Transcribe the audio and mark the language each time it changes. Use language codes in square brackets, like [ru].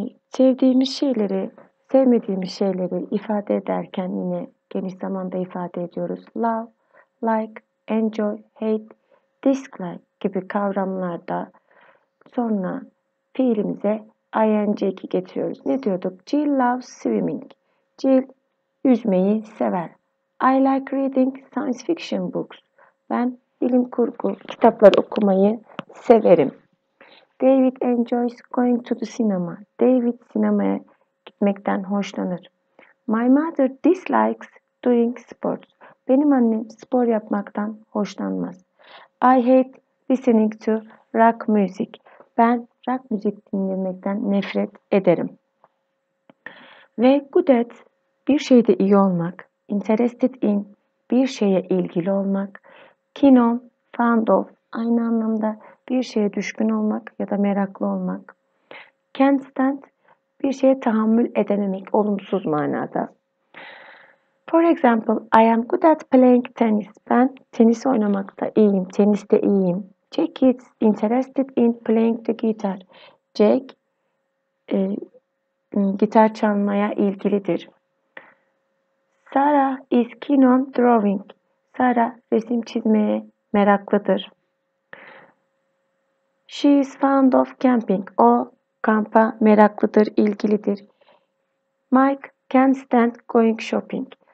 [tr] Sevdiğimiz şeyleri, sevmediğimiz şeyleri ifade ederken yine geniş zamanda ifade ediyoruz. Love, like, enjoy, hate, dislike gibi kavramlarda sonra fiilimize ing'i getiriyoruz. Ne diyorduk? [en] Jill loves swimming. [tr] Jill yüzmeyi sever. [en] I like reading science fiction books. [tr] Ben bilim kurgu kitapları okumayı severim. [en] David enjoys going to the cinema. [tr] David sinemaya gitmekten hoşlanır. [en] My mother dislikes doing sports. [tr] Benim annem spor yapmaktan hoşlanmaz. [en] I hate listening to rock music. [tr] Ben rock müzik dinlemekten nefret ederim. Ve good at bir şeyde iyi olmak, interested in bir şeye ilgili olmak, keen on, fond of aynı anlamda bir şeye düşkün olmak ya da meraklı olmak. Can't stand bir şeye tahammül edememek olumsuz manada. [en] For example, I am good at playing tennis. [tr] Ben tenis oynamakta iyiyim, teniste iyiyim. [en] Jack is interested in playing the guitar. [tr] Jack, gitar çalmaya ilgilidir. [en] Sarah is keen on drawing. [tr] Sarah, resim çizmeye meraklıdır. [en] She is fond of camping. [tr] O, kampa meraklıdır, ilgilidir. [en] Mike can't stand going shopping.